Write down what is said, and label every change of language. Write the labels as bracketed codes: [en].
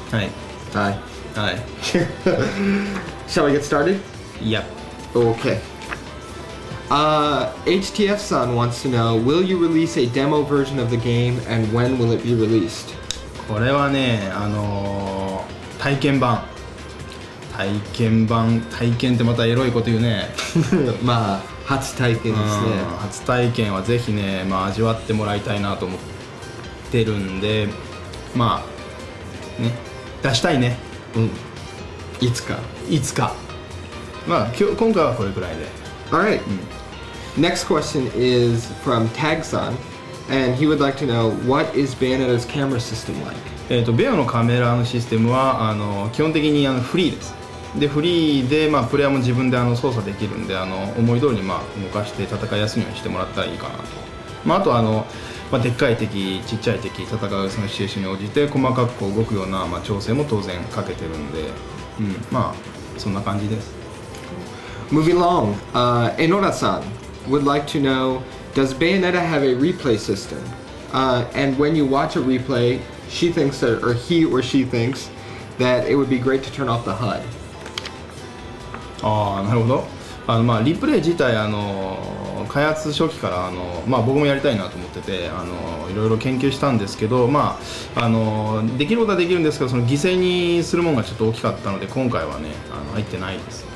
[en] Hi. Hi. Hi. Shall we get started? Yep. Okay. HTF-san wants to know, will you release a demo version of the game and when will it be released? [ja] これはね、体験版。体験版、体験ってまたエロいこと言うね。まあ、初体験ですね。初体験はぜひね、まあ、味わってもらいたいなと思ってるんで、まあ、ね、出したいね。うん。いつか。いつか。まあ、今回はこれくらいで。 [en] Alright.、うん、Next question is from Tag-san. And he would like to know, what is Bayonetta's camera system like? [ja] Bayo のカメラのシステムは基本的にフリーです。で、フリーで、まあ、プレイヤーも自分で操作できるんで、思い通りに、まあ、動かして戦いやすいようにしてもらったらいいかなと。まあ、あと、まあ、でっかい敵、ちっちゃい敵、戦うそのシチュエーションに応じて、細かくこう動くような、まあ、調整も当然かけてるんで、うん、まあ、そんな感じです。 [en] Moving along, Enora-san would like to know,Does Bayonetta have a replay system?、and when you watch a replay, she thinks that, or he or she thinks that it would be great to turn off the HUD. [ja] ああ、なるほど。まあ、リプレイ自体、開発初期から、まあ、僕もやりたいなと思ってて、いろいろ研究したんですけど、まあ、できることはできるんですけど、その犠牲にするものがちょっと大きかったので、今回はね、入ってないです。